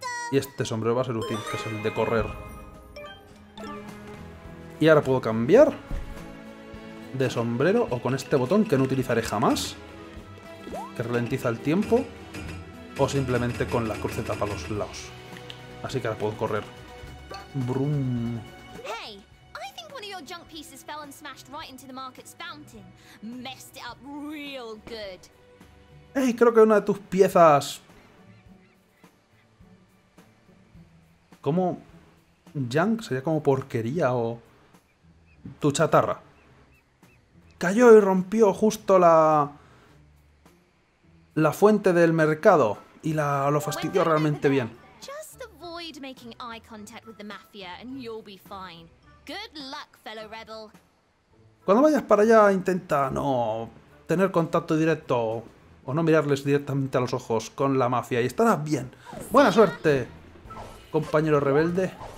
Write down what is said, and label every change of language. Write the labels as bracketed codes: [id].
[es] Y este sombrero va a ser útil, que es el de correr. Y ahora puedo cambiar de sombrero o con este botón que no utilizaré jamás, que ralentiza el tiempo, o simplemente con la cruceta para los lados. Así que ahora puedo correr. Brum. [en] Hey, I think one of your junk pieces fell and smashed right into the market's fountain. Messed it up real good. [es] Hey, creo que una de tus piezas... ¿Cómo? ¿Junk? ¿Sería como porquería o...? Tu chatarra. Cayó y rompió justo la fuente del mercado. Y lo fastidió realmente bien. [en] Just avoid making eye contact with the mafia and you'll be fine. Good luck, fellow rebel. [es] Cuando vayas para allá, intenta no tener contacto directo o no mirarles directamente a los ojos con la mafia y estarás bien. Buena suerte, compañero rebelde.